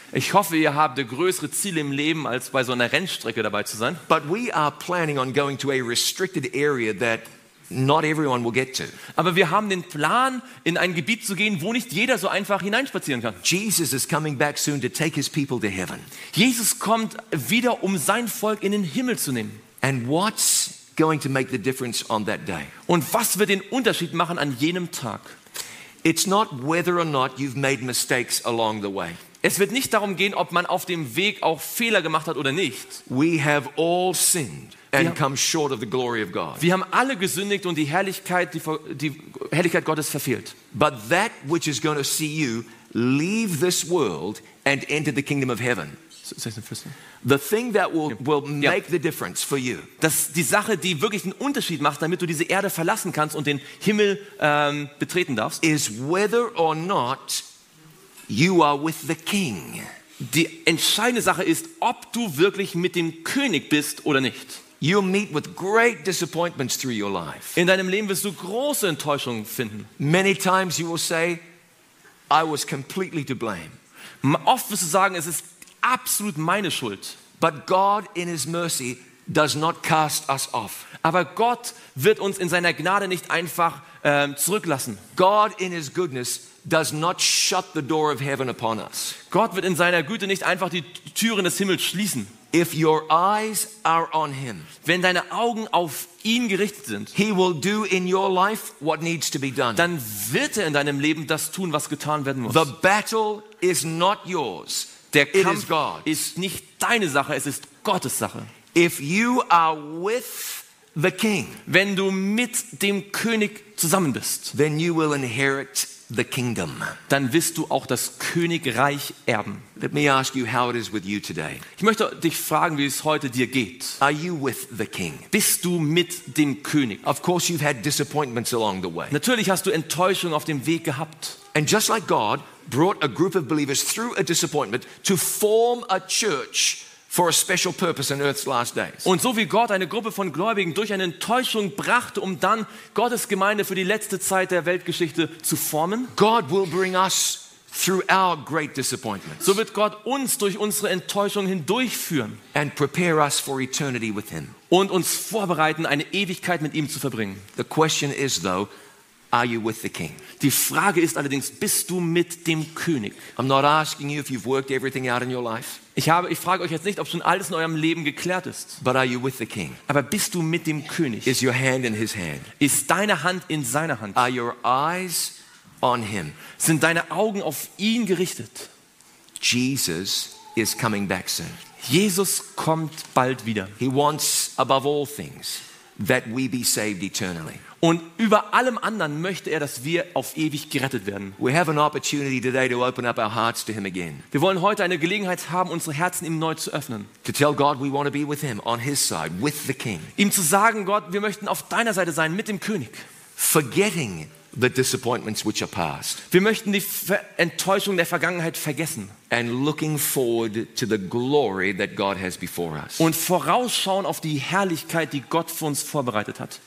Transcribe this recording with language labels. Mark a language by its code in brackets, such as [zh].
[de] Ich hoffe, ihr habt größere Ziele im Leben als bei so einer Rennstrecke dabei zu sein. [en] But we are planning on going to a restricted area that not everyone will get to. [de] Aber wir haben den Plan, in ein Gebiet zu gehen, wo nicht jeder so einfach hineinspazieren kann. [en] Jesus is coming back soon to take his people to heaven. [de] Jesus kommt wieder, um sein Volk in den Himmel zu nehmen. [en] And what's going to make the difference on that day? [de] Und was wird den Unterschied machen an jenem Tag? [en] It's not whether or not you've made mistakes along the way. [de] Es wird nicht darum gehen, ob man auf dem Weg auch Fehler gemacht hat oder nicht. [en] We have all sinned and come short of the glory of God. [de] Wir haben alle gesündigt und die Herrlichkeit Gottes verfehlt. [en] But that which is going to see you leave this world and enter the kingdom of heaven. The thing that will make the difference for you. [de] Das die Sache, die wirklich einen Unterschied macht, damit du diese Erde verlassen kannst und den Himmel betreten darfst. [en] Is whether or not you are with the king. [de] Die entscheidende Sache ist, ob du wirklich mit dem König bist oder nicht. [en] You meet with great disappointments through your life. [de] In deinem Leben wirst du große Enttäuschungen finden. [en] Many times you will say, I was completely to blame. [de] Oft wirst du sagen, es ist absolut meine Schuld. [en] But God in his mercy does not cast us off. [de] Aber Gott wird uns in seiner Gnade nicht einfach zurücklassen. [en] God in his goodness does not shut the door of heaven upon us. [de] Gott wird in seiner Güte nicht einfach die Türen des Himmels schließen. [en] If your eyes are on him, [de] wenn deine Augen auf ihn gerichtet sind, [en] he will do in your life what needs to be done. [de] Dann wird er in deinem Leben das tun, was getan werden muss. [en] The battle is not yours. [de] Der Kampf ist nicht deine Sache, es ist Gottes Sache. [en] If you are with the king, [de] wenn du mit dem König zusammen bist, [en] then you will inherit the kingdom. [de] Dann wirst du auch das Königreich erben. [en] Let me ask you how it is with you today. [de] Ich möchte dich fragen, wie es heute dir geht. [en] Are you with the king? [de] Bist du mit dem König? [en] Of course you've had disappointments along the way. [de] Natürlich hast du Enttäuschungen auf dem Weg gehabt. [en] And just like God brought a group of believers through a disappointment to form a church for a special purpose in Earth's last days. [de] Und so wie Gott eine Gruppe von Gläubigen durch eine Enttäuschung brachte, um dann Gottes Gemeinde für die letzte Zeit der Weltgeschichte zu formen, [en] God will bring us through our great disappointments. [de] So wird Gott uns durch unsere Enttäuschung hindurchführen [en] and prepare us for eternity with him. [de] Und uns vorbereiten, eine Ewigkeit mit ihm zu verbringen. [en] The question is though, are you with the king? [de] Die Frage ist allerdings, bist du mit dem König? [en] I'm not asking you if you've worked everything out in your life. [de] Ich frage euch jetzt nicht, ob schon alles in eurem Leben geklärt ist. [en] But are you with the king? [de] Aber bist du mit dem König? [en] Is your hand in his hand? [de] Ist deine Hand in seiner Hand? [en] Are your eyes on him? [de] Sind deine Augen auf ihn gerichtet? [en] Jesus is coming back soon. [de] Jesus kommt bald wieder. [en] He wants above all things that we be saved eternally. [de] Und über allem anderen möchte er, dass wir auf ewig gerettet werden. [en] We have an opportunity today to open up our hearts to him again. [de] Wir wollen heute eine Gelegenheit haben, unsere Herzen ihm neu zu öffnen. [en] To tell God we want to be with him on his side with the king. [de] Ihm zu sagen, Gott, wir möchten auf deiner Seite sein mit dem König. [en] Forgetting the disappointments which are past. [de] Wir möchten die Enttäuschung der Vergangenheit vergessen. [en] And looking forward to the glory that God has before us. [de] Und vorausschauen auf die Herrlichkeit, die Gott für uns vorbereitet hat.